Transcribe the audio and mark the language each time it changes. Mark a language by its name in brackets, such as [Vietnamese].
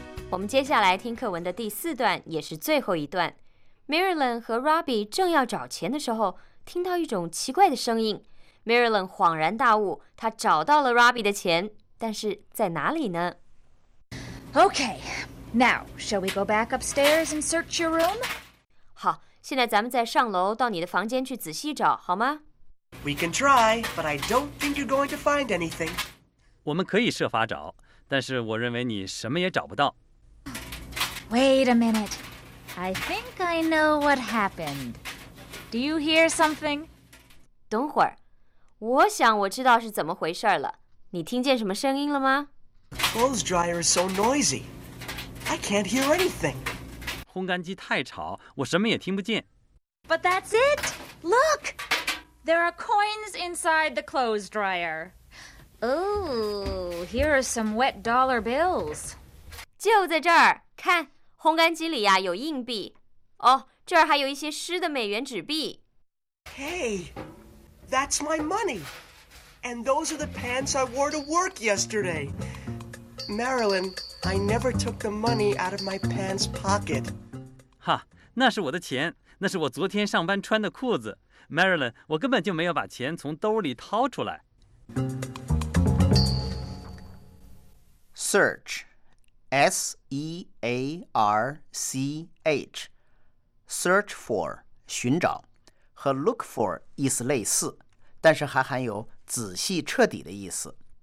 [Chinese] 我们接下来听课文的第四段，也是最后一段。 Marilyn 和 Robbie 正要找钱的时候，听到一种奇怪的声音。 Marilyn 恍然大悟，她找到了 Robbie 的钱，但是在哪里呢？ [English] Okay, now, shall we go back upstairs and search your room? [Chinese] 好，现在咱们再上楼到你的房间去仔细找，好吗？ [English] We can try, but I don't think you're going to find anything. [Chinese] 我们可以设法找，但是我认为你什么也找不到。 [English] Wait a minute. I think I know what happened. Do you hear something? [Chinese] 等会儿，我想我知道是怎么回事了。你听见什么声音了吗？ [English] Clothes dryer is so noisy. I can't hear anything. [Chinese] 烘干机太吵，我什么也听不见。 [English] But that's it. Look! There are coins inside the clothes dryer. Ooh, here are some wet dollar bills. [Chinese] 就在这儿，看。烘干机里呀、啊、有硬币，哦，这儿还有一些湿的美元纸币。 [English] Hey, that's my money, and those are the pants I wore to work yesterday. Marilyn, I never took the money out of my pants pocket. [Chinese] 哈，那是我的钱，那是我昨天上班穿的裤子。 Marilyn, 我根本就没有把钱从兜里掏出来。 [English] Search. S-E-A-R-C-H Search for [Chinese] 寻找和 [English] look for [Chinese] 意思类似，但是还含有仔细彻底的意思。